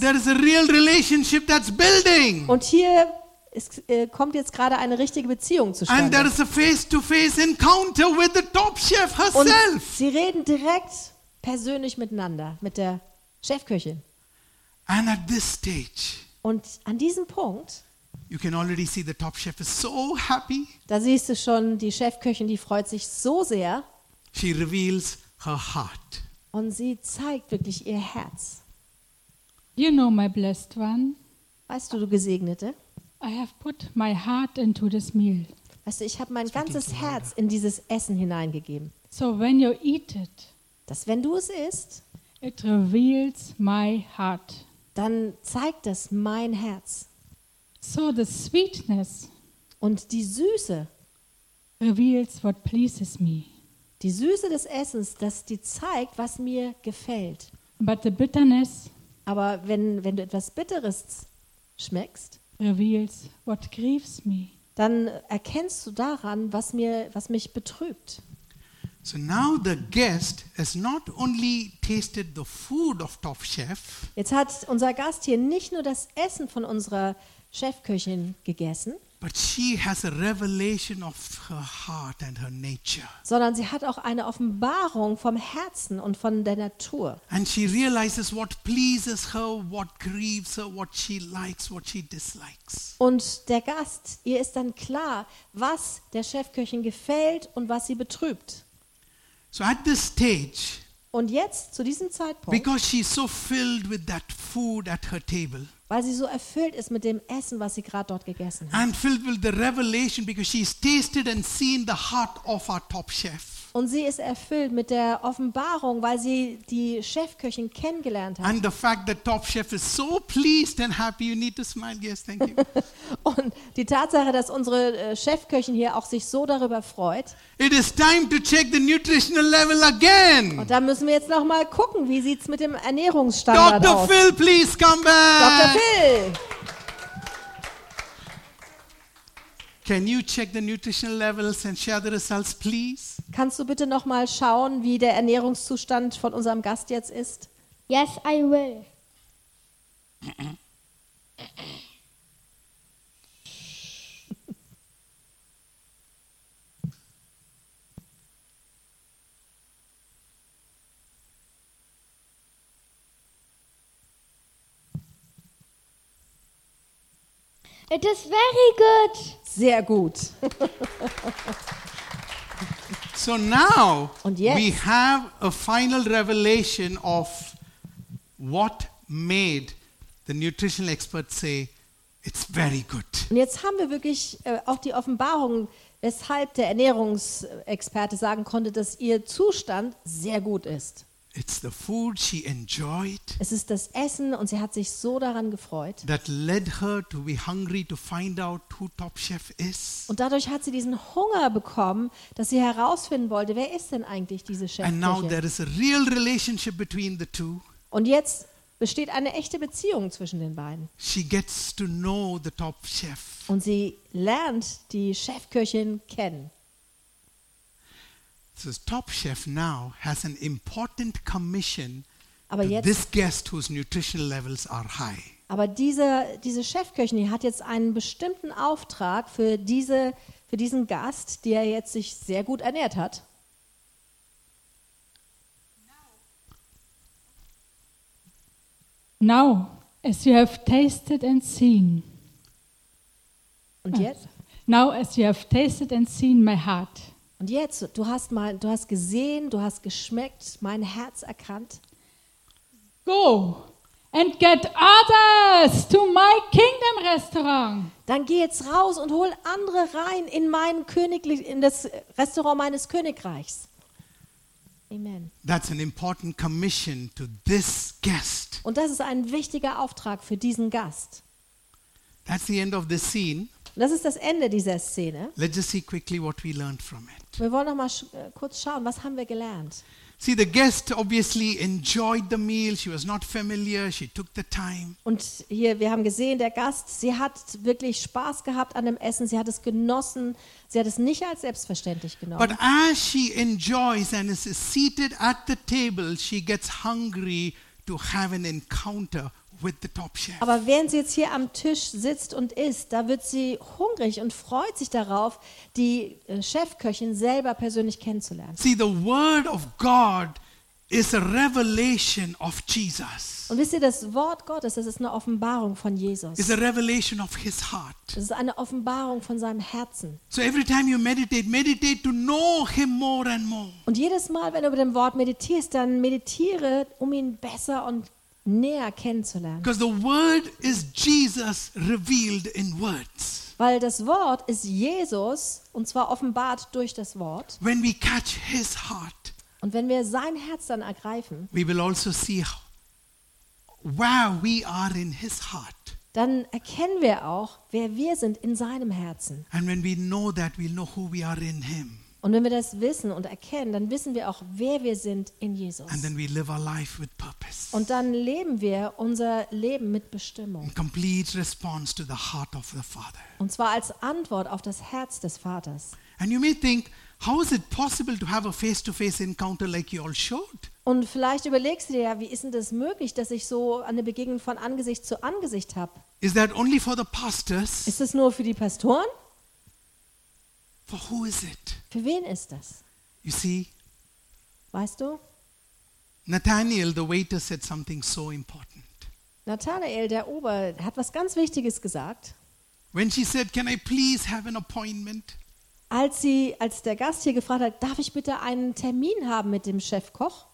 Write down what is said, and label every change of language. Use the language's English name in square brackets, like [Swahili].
[English] There is a real relationship that's building. [German] Und hier kommt jetzt gerade eine richtige Beziehung zustande. [English] And there is a face-to-face encounter with the top chef herself. [German] Und sie reden direkt persönlich miteinander mit der Chefköchin. [English] And at this stage. [German] Und an diesem Punkt. [English] You can already see the top chef is so happy. [German] Da siehst du schon die Chefköchin, die freut sich so sehr. [English] She reveals her heart. [German] Und sie zeigt wirklich ihr Herz. [English] You know, my blessed one. [German] Weißt du, du Gesegnete? [English] I have put my heart into this meal. [German] Weißt du, ich habe mein ganzes Herz in dieses Essen hineingegeben. [English] So when you eat it. [German] Dass wenn du es isst. [English] It reveals my heart. [German] Dann zeigt es mein Herz. [English] So the sweetness [German] und die Süße [English] reveals what pleases me. [German] Die Süße des Essens, dass die zeigt, was mir gefällt. [English] But the bitterness, [German] aber wenn du etwas Bitteres schmeckst, [English] reveals what grieves me. [German] Dann erkennst du daran, was mich betrübt. [English] So now the guest has not only tasted the food of Top Chef. [German] Jetzt hat unser Gast hier nicht nur das Essen von unserer Chefköchin gegessen. [English] But she has a revelation of her heart and her nature. [German] Sondern sie hat auch eine Offenbarung vom Herzen und von der Natur. [English] And she realizes what pleases her, what grieves her, what she likes, what she dislikes. [German] Und der Gast, ihr ist dann klar, was der Chefköchin gefällt und was sie betrübt. [English] So at this stage. [German] Und jetzt zu diesem Zeitpunkt. [English] Because she's so filled with that food at her table. [German] Weil sie so erfüllt ist mit dem Essen, was sie gerade dort gegessen hat. [English] And filled with the revelation because she's tasted and seen the heart of our top chef. [German] Und sie ist erfüllt mit der Offenbarung, weil sie die Chefköchin kennengelernt hat. [English] And the fact that top chef is so pleased and happy, you need to smile, yes, thank you. [German] Und die Tatsache, dass unsere Chefköchin hier auch sich so darüber freut. [English] It is time to check the nutritional level again. [German] Und da müssen wir jetzt noch mal gucken, wie sieht's mit dem Ernährungsstandard aus. [English] Dr. Phil, please come back. [German] Dr. Phil. [English] Can you check the nutritional levels and share the results, please? [German] Kannst du bitte noch mal schauen, wie der Ernährungszustand von unserem Gast jetzt ist? [English] Yes, I will. It is very good. [German] Sehr gut. [English] So now [German] und jetzt, [English] we have a final revelation of what made the nutritional experts say it's very good. [German] Und jetzt haben wir wirklich auch die Offenbarung, weshalb der Ernährungsexperte sagen konnte, dass ihr Zustand sehr gut ist. [English] It's the food she enjoyed. [German] Es ist das Essen und sie hat sich so daran gefreut. [English] That led her to be hungry to find out who Top Chef is. [German] Und dadurch hat sie diesen Hunger bekommen, dass sie herausfinden wollte, wer ist denn eigentlich diese Chefin? [English] And now there is a real relationship between the two. [German] Und jetzt besteht eine echte Beziehung zwischen den beiden. [English] She gets to know the Top Chef. [German] Und sie lernt die Chefköchin kennen. [English] So Top Chef now has an important commission [German] Aber jetzt, [English] this guest whose nutritional levels are high. [German] Aber diese Chefköchin, die hat jetzt einen bestimmten Auftrag für diesen Gast, der jetzt sich sehr gut ernährt hat. [English] Now, as you have tasted and seen. [German] Und jetzt? [English] Now, as you have tasted and seen my heart. [German] Und jetzt, du hast gesehen, du hast geschmeckt, mein Herz erkannt. [English] Go and get others to my kingdom restaurant. [German] Dann geh jetzt raus und hol andere rein in das Restaurant meines Königreichs. [English] Amen. That's an important commission to this guest. [German] Und das ist ein wichtiger Auftrag für diesen Gast. [English] That's the end of the scene. [German] Das ist das Ende dieser Szene. [English] Let's just see quickly what we learned from it. [German] Wir wollen noch mal kurz schauen, was haben wir gelernt? [English] See, the guest obviously enjoyed the meal. She was not familiar. She took the time. [German] Und hier, wir haben gesehen, der Gast, sie hat wirklich Spaß gehabt an dem Essen. Sie hat es genossen. Sie hat es nicht als selbstverständlich genommen. [English] But as she enjoys and is seated at the table, she gets hungry to have an encounter with the top chef. [German] Aber während sie jetzt hier am Tisch sitzt und isst, da wird sie hungrig und freut sich darauf, die Chefköchin selber persönlich kennenzulernen. [English] See, the word of God is a revelation of Jesus. [German] Und wisst ihr, das Wort Gottes, das ist eine Offenbarung von Jesus. [English] It's a revelation of his heart. [German] Das ist eine Offenbarung von seinem Herzen. [English] So every time you meditate to know him more and more. [German] Und jedes Mal, wenn du über dem Wort meditierst, dann meditiere, um ihn besser und näher kennenzulernen. [English] Because the word is Jesus revealed in words. [German] Weil das Wort ist Jesus und zwar offenbart durch das Wort. [English] When we catch his heart. [German] Und wenn wir sein Herz dann ergreifen. [English] We will also see where we are in his heart. [German] Dann erkennen wir auch, wer wir sind in seinem Herzen. [English] And when we know that, we'll know who we are in him. [German] Und wenn wir das wissen und erkennen, dann wissen wir auch, wer wir sind in Jesus. [English] And then we live our life with purpose. [German] Und dann leben wir unser Leben mit Bestimmung. [English] In complete response to the heart of the Father. [German] Und zwar als Antwort auf das Herz des Vaters. [English] And you may think, how is it possible to have a face-to-face encounter like you all showed? [German] Und vielleicht überlegst du dir ja, wie ist denn das möglich, dass ich so eine Begegnung von Angesicht zu Angesicht habe? [English] Is that only for the pastors? [German] Ist das nur für die Pastoren? [English] For who is it? [German] Für wen ist das? [English] You see? [German] Weißt du? [English] Nathanael, the waiter, said something so important. [German] Nathanael, der Ober, hat was ganz Wichtiges gesagt. [English] When she said, "Can I please have an appointment?" [German] Als der Gast hier gefragt hat, darf ich bitte einen Termin haben mit dem Chefkoch?